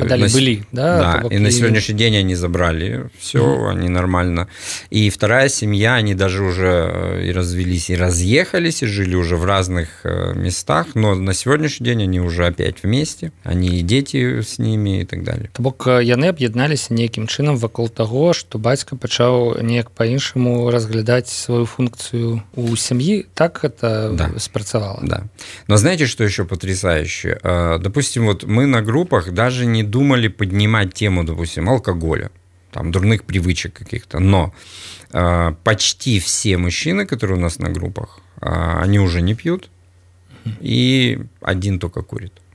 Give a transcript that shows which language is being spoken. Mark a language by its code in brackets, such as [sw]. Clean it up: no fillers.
[ru] подали, были, да? Да, и на сегодняшний день они забрали все, они нормально. И вторая семья, они даже уже и развелись, и разъехались, и жили уже в разных местах, но на сегодняшний день они уже опять вместе, они и дети с ними и так далее. [be] Табок, яны об'ядналіся некім чынам вакол таго, што бацька пачаў неяк па-іншаму разглядаць сваю функцыю ў сям'і. Так гэта спрацавала. [ru] Да. Но знаете, что еще потрясающе? Допустим, вот мы на группах даже не думали поднимать тему, допустим, алкоголя, там, дурных привычек каких-то. Но почти все мужчины, которые у нас на группах, они уже не пьют, и один только курит.